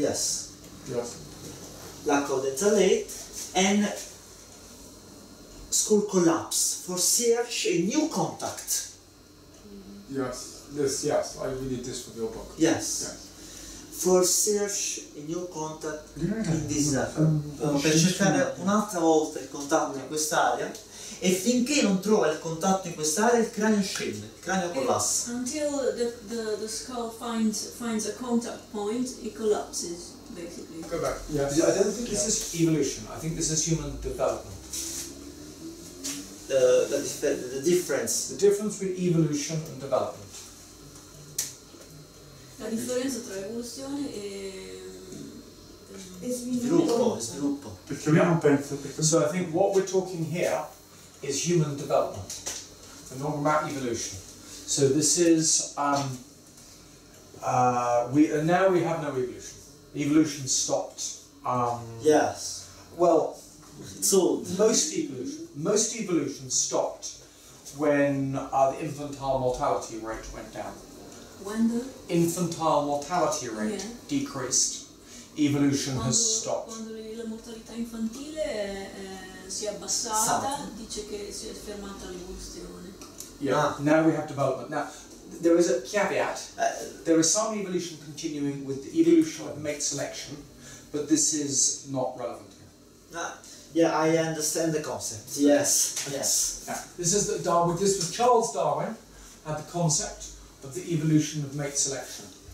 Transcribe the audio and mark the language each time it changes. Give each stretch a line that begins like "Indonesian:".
English: Yes. La condensate and skull collapse for search a new contact. Yes. I needed this for your book. Yes. For search a new contact in this area.
Italian: Per cercare un'altra volta il contatto in quest'area. E finché non trova il contatto in quest'area, il cranio scende, il cranio collassa.
English: Until the skull finds a contact point, it collapses, basically. Go back. Yes. I don't think this is evolution. I think this is human development. The difference with evolution and development.
Italian: La differenza tra evoluzione e sviluppo. Perché lui non pensa.
English: So I think what we're talking here is human development. We're not about evolution. So this is we have no evolution. Evolution stopped. Yes. Well. So most evolution stopped when the infantile mortality rate went down. When the infantile mortality rate decreased, evolution has stopped.
Italian: Quando la mortalità infantile si è abbassata, dice che si è fermata l'evoluzione.
English: Yeah. Now we have development. Now there is a caveat. There is some evolution continuing with the evolution of mate selection, but this is not relevant here. Yeah, I understand the concept. Yes. Yeah. This was Charles Darwin had the concept of the evolution of mate selection.